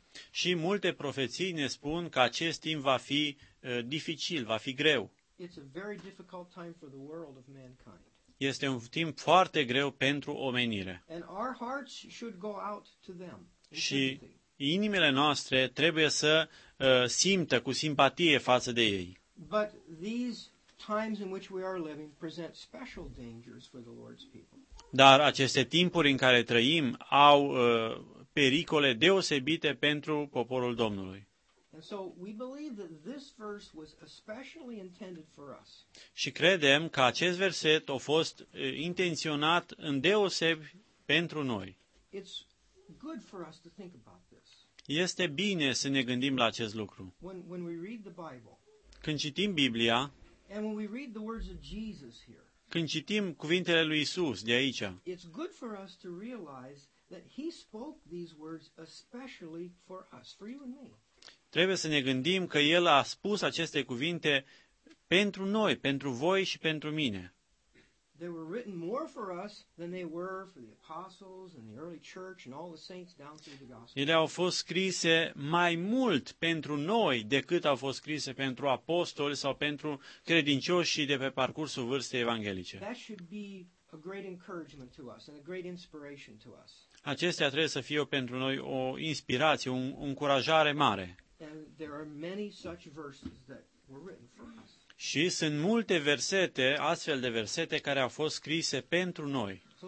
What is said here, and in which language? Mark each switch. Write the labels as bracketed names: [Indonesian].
[Romanian] Și multe profeții ne spun că acest timp va fi dificil, va fi greu. [English] It's a very difficult time for the world of mankind. [Romanian] Este un timp foarte greu pentru omenire. [English] And our hearts should go out to them. [Romanian] Și inimile noastre trebuie să simtă cu simpatie față de ei. [English] But these times in which we are living present special dangers for the Lord's people. [Romanian] Dar aceste timpuri în care trăim au pericole deosebite pentru poporul Domnului. [English] And so we believe that this verse was especially intended for us. [Romanian] Și credem că acest verset a fost intenționat îndeosebi pentru noi. [English] It's good for us to think about this. [Romanian] Este bine să ne gândim la acest lucru. [English] When we read the Bible, [Romanian] când citim Biblia, [English] and when we read the words of Jesus here, [Romanian] când citim cuvintele lui Isus de aici, [English] it's good for us to realize that he spoke these words especially for us, for you and me. [Romanian] Trebuie să ne gândim că El a spus aceste cuvinte pentru noi, pentru voi și pentru mine. [English] They were written more for us than they were for the apostles and the early church and all the saints down through the gospel. [Romanian] Ele au fost scrise mai mult pentru noi decât au fost scrise pentru apostoli sau pentru credincioșii de pe parcursul vârstei evanghelice. [English] That should be a great encouragement to us and a great inspiration to us. [Romanian] Acestea trebuie să fie pentru noi o inspirație, un încurajare mare. [English] And there are many such verses that were written for us. [Romanian] Și sunt multe versete, astfel de versete, care au fost scrise pentru noi.